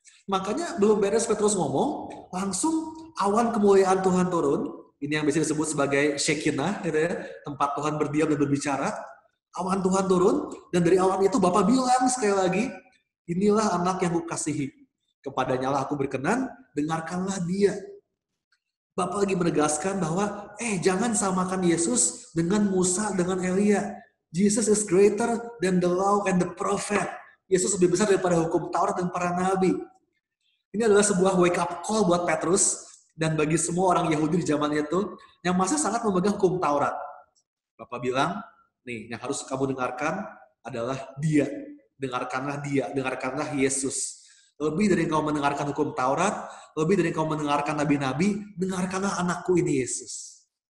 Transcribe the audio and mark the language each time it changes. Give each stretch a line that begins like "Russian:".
Indonesian: Makanya belum beres Petrus ngomong, langsung awan kemuliaan Tuhan turun, ini yang biasa disebut sebagai Shekinah, gitu ya, tempat Tuhan berdiam dan berbicara. Awan Tuhan turun, dan dari awan itu Bapa bilang sekali lagi, inilah anak yang kukasihi, kepadanya lah aku berkenan, dengarkanlah dia. Bapak lagi menegaskan bahwa, jangan samakan Yesus dengan Musa, dengan Elia.
English: Jesus is greater than the law and the prophet.
Indonesian: Yesus lebih besar daripada hukum Taurat dan para nabi. Ini adalah sebuah wake up call buat Petrus dan bagi semua orang Yahudi di zaman itu yang masih sangat memegang hukum Taurat. Bapak bilang, nih, yang harus kamu dengarkan adalah dia. Dengarkanlah dia, dengarkanlah Yesus. Lebih dari kau mendengarkan hukum Taurat, lebih dari kau mendengarkan nabi-nabi, dengarkanlah anakku ini Yesus.